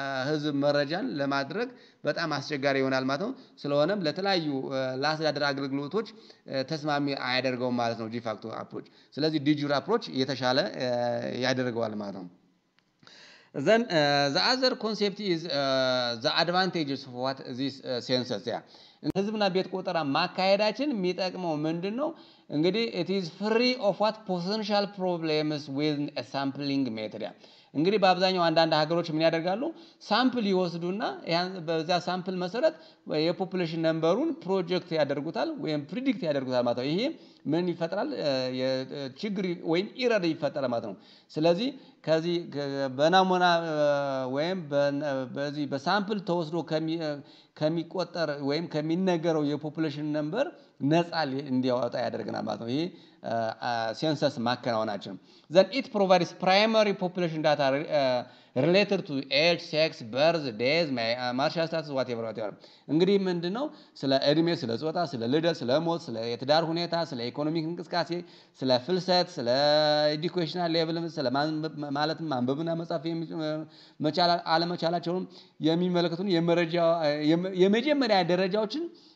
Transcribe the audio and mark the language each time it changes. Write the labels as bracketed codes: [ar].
[am] ህዝብ መረጃን ለማድረግ በጣም አስቸጋሪ ይሆናል ማለት ነው። ስለሆነም ለተለያዩ ላስተዳደር አገልግሎቶች ተስማሚ አያደርገውም ማለት ነው ዲፋክቶ አፕሮች። ስለዚህ ዲጁር አፕሮች የተሻለ ያደርገዋል ማለት ነው። [en] Then the other concept is the advantages of what this census is. [am] ህዝብና ቤት ቆጠራ ማካሄዳችን የሚጠቅመው ምንድነው እንግዲህ [en] it is free of what potential problems with a sampling method. [am] እንግዲህ በአብዛኛው አንዳንድ ሀገሮች ምን ያደርጋሉ ሳምፕል ይወስዱና በዛ ሳምፕል መሰረት የፖፑሌሽን ነምበሩን ፕሮጀክት ያደርጉታል ወይም ፕሪዲክት ያደርጉታል ማለት ነው። ይሄ ምን ይፈጠራል የችግር ወይም ኢረር ይፈጠራል ማለት ነው። ስለዚህ ከዚ በናሙና ወይም በዚ በሳምፕል ተወስዶ ከሚቆጠር ወይም ከሚነገረው የፖፑሌሽን ነምበር ነፃ እንዲያወጣ ያደርግና ማለት ነው። ይሄ census makanawanachin. [en] Then it provides primary population data related to age, sex, birth, days, martial status, whatever, whatever. [am] እንግዲ ምንድነው ስለ እድሜ ስለ ጾታ ስለ ልደት ስለ ሞት ስለ የትዳር ሁኔታ ስለ ኢኮኖሚክ እንቅስቃሴ ስለ ፍልሰት ስለ ኤዱኬሽናል ሌቭል ስለ ማለት ማንበብና መጻፍ የሚቻላል አለመቻላቸውን የሚመለከቱን የመጀመሪያ ደረጃዎችን